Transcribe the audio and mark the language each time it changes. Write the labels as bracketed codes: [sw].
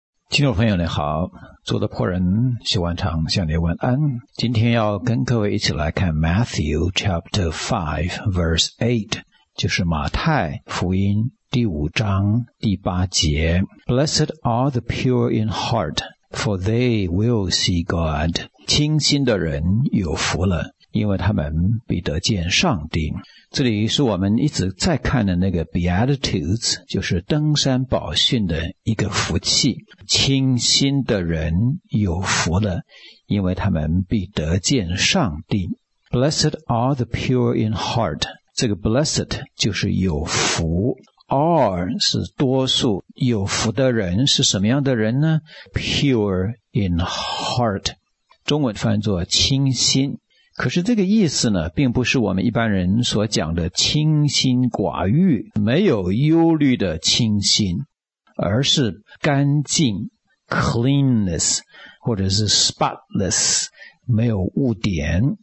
[zh] 听众朋友您好，做的仆人希万长向你问安。今天要跟各位一起来看 Matthew chapter 5 verse 8， 就是马太福音第五章第八节。 [en] Blessed are the pure in heart, for they will see God. [zh] 清心的人有福了，因为他们必得见上帝。这里是我们一直在看的那个 Beatitudes， 就是登山宝训的一个福气。清心的人有福了，因为他们必得见上帝。 [en] Blessed are the pure in heart， [zh] 这个 blessed 就是有福， are 是多数。有福的人是什么样的人呢？Pure in heart， 中文翻作清心。可是这个意思呢，并不是我们一般人所讲的清心寡欲，没有忧虑的清心，而是干净 cleanness， 或者是 spotless， 没有污点。